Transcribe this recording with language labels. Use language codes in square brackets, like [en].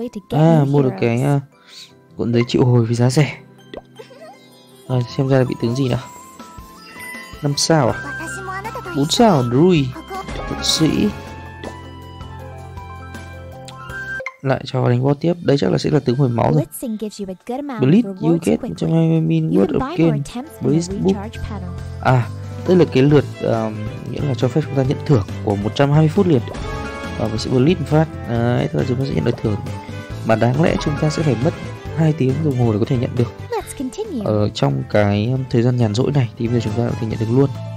[vi] À, mua được cái cuộn giấy triệu hồi với giá rẻ. Rồi, xem ra là bị tướng gì nào? 5 sao à? 4 sao, Rui Thuận sĩ. Lại cho đánh boss tiếp. Đây chắc là sẽ là tướng hồi máu rồi. [en] Blitz, you get 120 min worth of gain. Blitz book. [vi] À, đây là cái lượt nghĩa là cho phép chúng ta nhận thưởng của 120 phút liền. Và mình sẽ Blitz một phát. Đấy, thôi chúng ta sẽ nhận được thưởng mà đáng lẽ chúng ta sẽ phải mất 2 tiếng đồng hồ để có thể nhận được. Ở trong cái thời gian nhàn rỗi này thì bây giờ chúng ta có thể nhận được luôn.